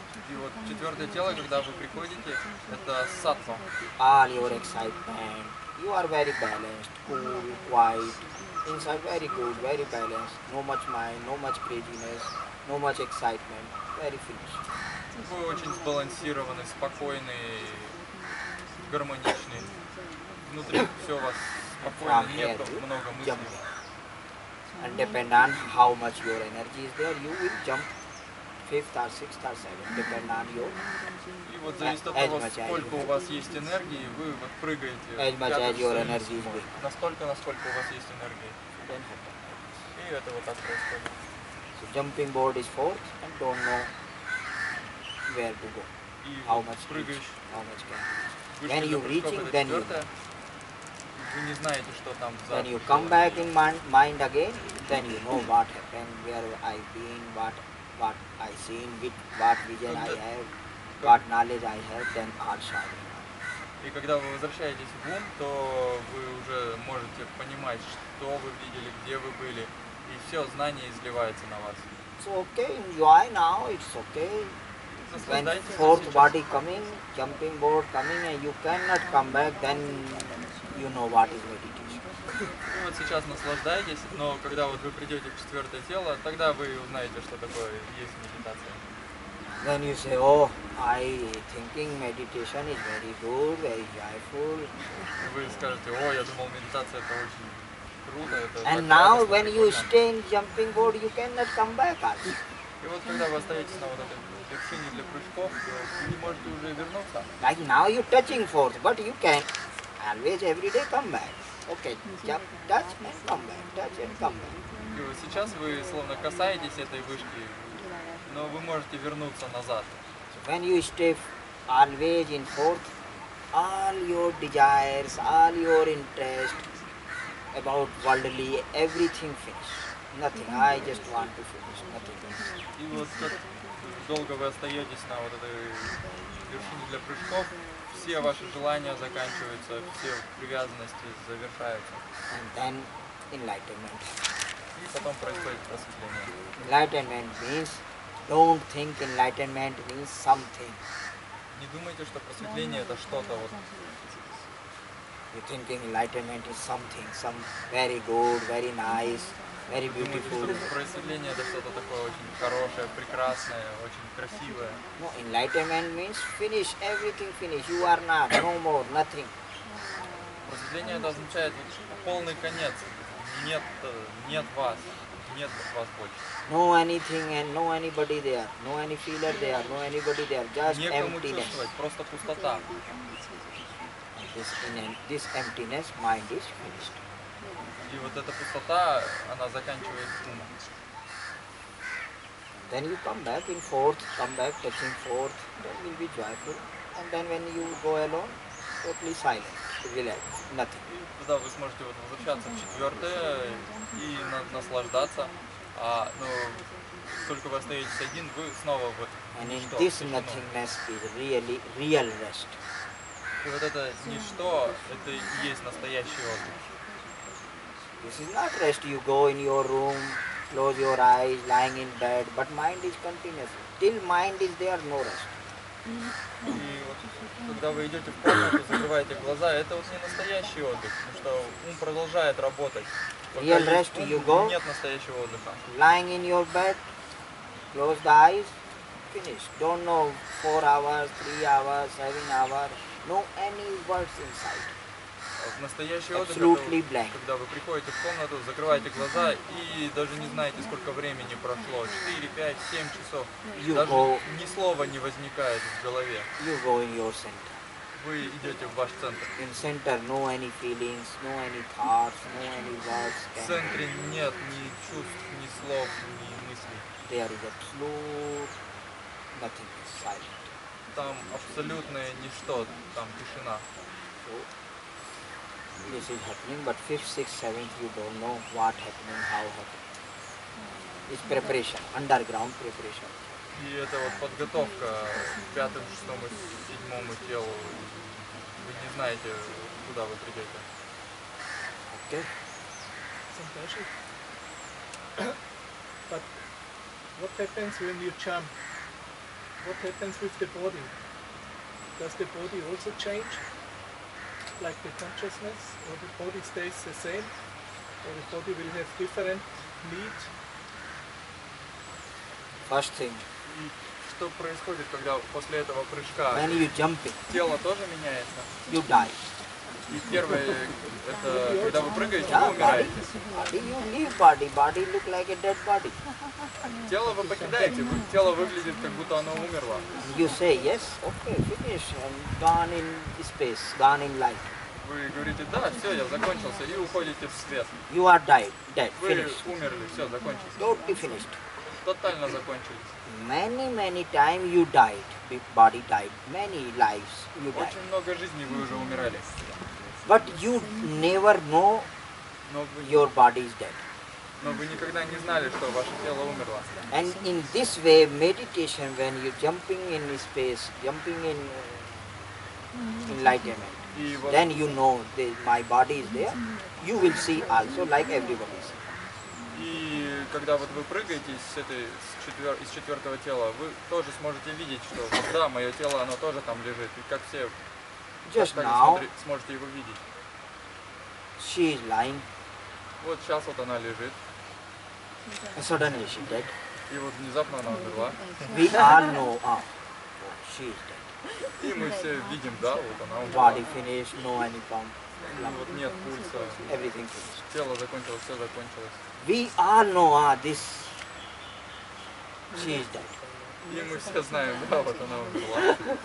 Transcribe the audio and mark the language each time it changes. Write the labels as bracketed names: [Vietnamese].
[Russian] И вот четвертое тело, когда вы приходите, это саттва. [English] All your excitement, you are very balanced, cool, quiet, inside very good, very balanced, no much mind, no much craziness, no much excitement, very finished. [Russian] Вы очень сбалансированный, спокойный, гармоничный. Внутри все у вас. [English] From here to jump, and depend on how much your energy is there, you will jump fifth or sixth or seventh, depend on your. [Russian] И вот зависит от того, сколько у вас есть энергии, вы вот прыгаете. [English] As much as your energy is there. [Russian] Настолько, насколько у вас есть энергии. И это вот так происходит. [English] So jumping board is fourth, and don't know where to go. How much [Russian] прыгаешь? [English] How much can? When you reaching, then you. [Russian] Вы не знаете, что там за. [English] When you come back in mind again, then you know what happened, where I been, what I seen, with what vision I have, what knowledge I have, then all shine. [Russian] И когда вы возвращаетесь в ум, то вы уже можете понимать, что вы видели, где вы были, и все знание изливается на вас. [English] So okay, enjoy now, it's okay. When fourth body coming, jumping board coming, and you cannot come back, then you know what is meditation. [Russian] Вот сейчас наслаждайтесь, но когда вот вы придете в четвертое тело, тогда вы узнаете, что такое есть медитация. [English] Then you say, oh, I thinking meditation is very good, very joyful. [Russian] Вы скажете, о, я думал, медитация это очень круто. [English] And now when you stay in jumping board, you cannot come back. [Russian] И вот когда вы остаетесь на вот этом вершине для прыжков, вы не можете уже вернуться. [English] Like now you touching fourth, but you can. Always, every day, come back. Okay, jump, touch and come back, touch and come back. [Russian] И вот сейчас вы словно касаетесь этой вышки, но вы можете вернуться назад. [English] So when you stay always in fourth, all your desires, all your interest about worldly, everything finish. Nothing. I just want to finish. Nothing. [Russian] И вот как долго вы остаетесь на вот этой вершине для прыжков? Все ваши желания заканчиваются, все привязанности завершаются. [English] And then enlightenment. [Russian] И потом происходит просветление. [English] Enlightenment means, don't think enlightenment means something. [Russian] Не думайте, что просветление это что-то вот. [English] You thinking enlightenment is something, some very good, very nice, very beautiful. [Russian] Думаете, что просветление это что-то такое очень хорошее, прекрасное, очень красивое. [English] No, enlightenment means finish, everything finish. You are not, no more, nothing. [Russian] Просветление это означает вот, полный конец. Нет вас. Нет вас больше. [English] No anything and no anybody there. No any feeler there, no anybody there. Just [Russian] некому [English] emptiness. [Russian] Некому чувствовать, просто пустота. [English] And this emptiness, mind is finished. [Russian] И вот эта пустота, она заканчивается ума. [English] Then you come back in fourth, come back touching fourth, then you'll be joyful. And then when you go alone, totally silent. [Russian] определяет. [English] Nothing. [Russian] Да, вы сможете вот возвращаться в четвертое и наслаждаться. А, ну, только вы остаетесь один, вы снова вот. [English] And in this nothingness is really real rest. [Russian] И вот это ничто, это и есть настоящий отдых. [English] This is not rest. You go in your room, close your eyes, lying in bed, but mind is continuous. Till mind is there, no rest. [Russian] И вот, когда вы идете в комнату, закрываете глаза, это вот не настоящий отдых, потому что ум продолжает работать. Пока [English] real rest, you go. [Russian] Нет настоящего отдыха. [English] Lying in your bed, close the eyes, finish. Don't know 4 hours, 3 hours, 7 hours. No any words inside. [Russian] Настоящий отдых, [English] absolutely [Russian] это, [English] blank. [Russian] Когда вы приходите в комнату, закрываете глаза и даже не знаете, сколько времени прошло. 4, 5, 7 часов. [English] You [Russian] даже [English] go, [Russian] ни слова не возникает в голове. [English] You go in your center. [Russian] Вы идете в ваш центр. [English] In center no any feelings, no any thoughts, no any words. [Russian] В центре нет ни чувств, ни слов, ни мыслей. [English] There is absolute nothing inside. [Russian] Там абсолютное ничто, там тишина. [English] This is happening, but 5th, 6th, 7th, you don't know what happening, how happening. It's preparation, underground preparation. [Russian] И это вот подготовка к 5-му, 6-му, 7-му телу. Вы не знаете, куда вы придете. [English] Okay. Some questions. But what happens when you jump? What happens with the body? Does the body also change? Like the consciousness, or the body stays the same, or the body will have different need. First thing. [Russian] Что происходит, когда после этого прыжка? [English] When you jumping. [Russian] Тело тоже меняется. [English] You die. [Russian] И первое это когда вы прыгаете, вы умираете. [English] Body, you leave body. Body look like a dead body. [Russian] Тело вы покидаете, тело выглядит как будто оно умерло. [English] You say yes, okay, finish and gone in space, gone in light. [Russian] Вы говорите да, все, я закончился и уходите в свет. [English] You are died, dead, finished. [Russian] Вы умерли, все, закончился. [English] Totally finished. [Russian] Тотально закончились. [English] Many, many times you died, body died, many lives you died. [Russian] Очень много жизней вы уже умирали. [English] But you never know your body is dead. [Russian] Но вы никогда не знали, что ваше тело умерло. [English] And in this way, meditation, when you're jumping in space, jumping in enlightenment, [Russian] вот, [English] then you know that my body is there, you will see also like everybody is. [Russian] И когда вот вы прыгаете с этой, с из четвертого тела, вы тоже сможете видеть, что вот, да, мое тело, оно тоже там лежит, и как все, [English] just [Russian] как [English] now, [Russian] сможете его видеть. [English] She is lying. [Russian] Вот сейчас вот она лежит. [English] Suddenly she dead. [Russian] И вот внезапно она умерла. [English] We all know, ah, she is dead. [Russian] И мы все видим, да, вот она умерла. [English] Body finished, no any pump. [Russian] Вот нет пульса. [English] Everything finished. [Russian] Тело закончилось, все закончилось. [English] We all know, ah, this, she is dead. [Russian] И мы все знаем, да, вот она умерла.